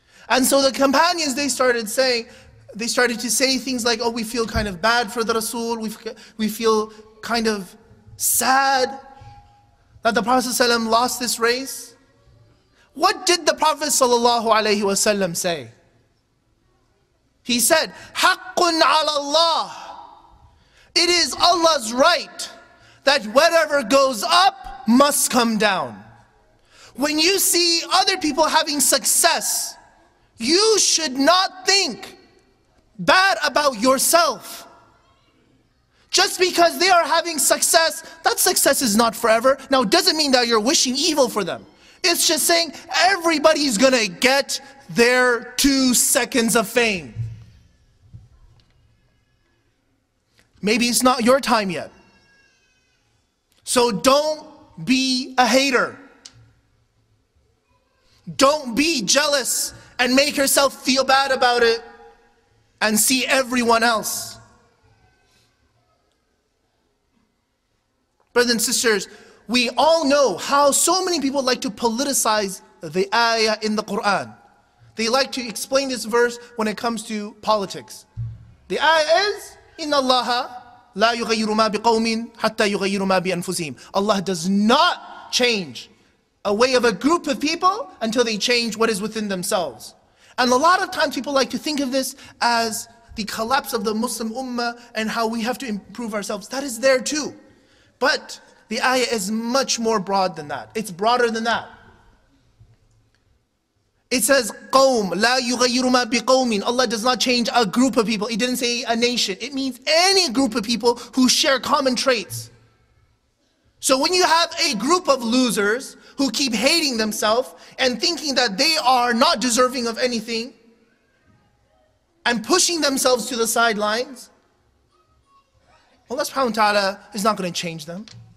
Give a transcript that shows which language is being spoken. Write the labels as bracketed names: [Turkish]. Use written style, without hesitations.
[English] And so the companions, they started to say things like, oh, we feel kind of bad for the Rasul, we feel kind of sad that the Prophet ﷺ lost this race. What did the Prophet ﷺ say? He said, [Arabic] حَقٌّ عَلَى اللَّهِ. [English] It is Allah's right that whatever goes up must come down. When you see other people having success, you should not think bad about yourself. Just because they are having success, that success is not forever. Now, it doesn't mean that you're wishing evil for them. It's just saying everybody's gonna get their 2 seconds of fame. Maybe it's not your time yet. So don't be a hater. Don't be jealous and make yourself feel bad about it and see everyone else. Brothers and sisters, we all know how so many people like to politicize the ayah in the Quran. They like to explain this verse when it comes to politics. The ayah is, [Arabic] إِنَّ اللَّهَ لَا يُغَيِّرُ مَا بِقَوْمٍ حَتَّى يُغَيِّرُ مَا بِأَنفُسِهِمْ. [English] Allah does not change a way of a group of people until they change what is within themselves. And a lot of times people like to think of this as the collapse of the Muslim Ummah and how we have to improve ourselves. That is there too. But the ayah is much more broad than that. It's broader than that. It says, [Arabic] قَوْمٌ لَا يُغَيِّرُ مَا بِقَوْمٍ. [English] Allah does not change a group of people. It didn't say a nation. It means any group of people who share common traits. So when you have a group of losers who keep hating themselves and thinking that they are not deserving of anything and pushing themselves to the sidelines, Allah subhanahu wa ta'ala is not going to change them.